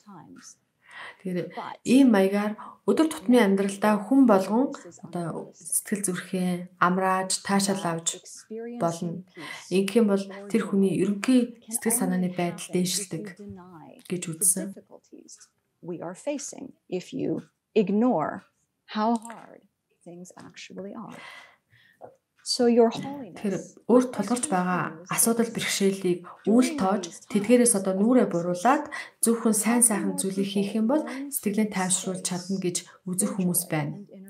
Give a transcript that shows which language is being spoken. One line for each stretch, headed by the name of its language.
Mongolian: Тэгэхээр ийм маягаар өдөр тутмын амьдралдаа хүн болгон одоо сэтгэл зүрхээ амрааж таашаал авч болно. Ингэх юм бол тэр хүний ерөнхий сэтгэл санааны байдал дээшилдэг гэж үзсэн.
English: We are facing if you ignore how hard things actually are. So your
Mongolian: holiness өөр тулгарч байгаа асуудал бэрхшээлийг үл тоож тэдгээрээс одоо нүрээ буруулаад зөвхөн сайн сайхан зүйлийг хийх юм бол сэтгэлийн тайвшруул чадна гэж үзэх хүмүүс байна.